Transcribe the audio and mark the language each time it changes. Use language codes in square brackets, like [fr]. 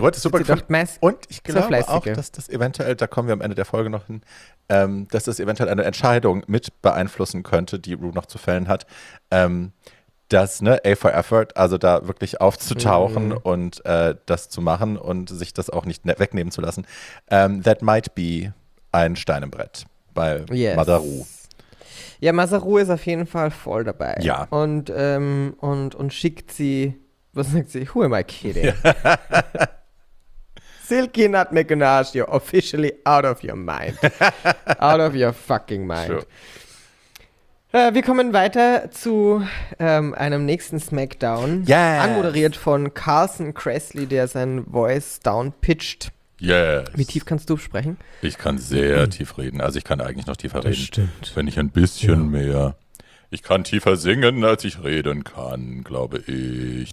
[de] Die Ruhe hat es super gefunden. Und ich glaube auch, dass das eventuell, da kommen wir am Ende der Folge noch hin, dass das eventuell eine Entscheidung mit beeinflussen könnte, die Ruhe noch zu fällen hat, dass, ne, A for Effort, also da wirklich aufzutauchen und das zu machen und sich das auch nicht wegnehmen zu lassen. [en] That might be [de] ein Stein im Brett bei Mother Ruhe. Ja, Masaru ist auf jeden Fall voll dabei. Ja. Und schickt sie, was sagt sie? [en] Who am I kidding? Silky Nut McGonagall, you're officially out of your mind. Out of your fucking mind. Sure. [de] Wir kommen weiter zu einem nächsten Smackdown. [en] Yes. [de] Anmoderiert von Carson Kressley, der seinen Voice downpitcht. [en] Yes. [de] Wie tief kannst du sprechen? Ich kann sehr tief reden. Also ich kann eigentlich noch tiefer reden. Stimmt. Wenn ich ein bisschen mehr. Ich kann tiefer singen, als ich reden kann, glaube ich.